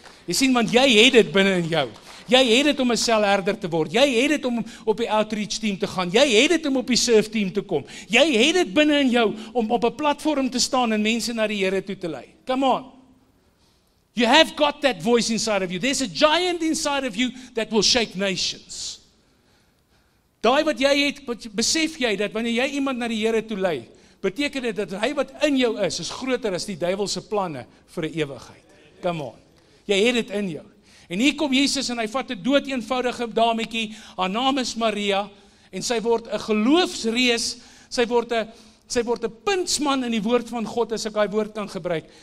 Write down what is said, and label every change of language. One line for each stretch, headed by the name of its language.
Afrikaans: Jy sien, want jy het dit binnen in jou. Jy het dit om 'n selherder te word. Jy het dit om op die outreach team te gaan. Jy het dit om op die surf team te kom. Jy het dit binnen in jou om op 'n platform te staan en mense na die Here toe te lei.
English: Come on. You have got that voice inside of you. There's a giant inside of you that will shake nations.
Afrikaans: Daai wat jy het, besef jy dat wanneer jy iemand na die Here toe lei, beteken dit dat hy wat in jou is, is groter as die duiwelse planne vir die ewigheid.
English: Come on.
Afrikaans: Jy het dit in jou. En hier kom Jesus en hy vat 'n dood eenvoudige dametjie, haar naam is Maria, en sy word 'n geloofsreus, sy word 'n puntsman in die woord van God, as ek die woord kan gebruik.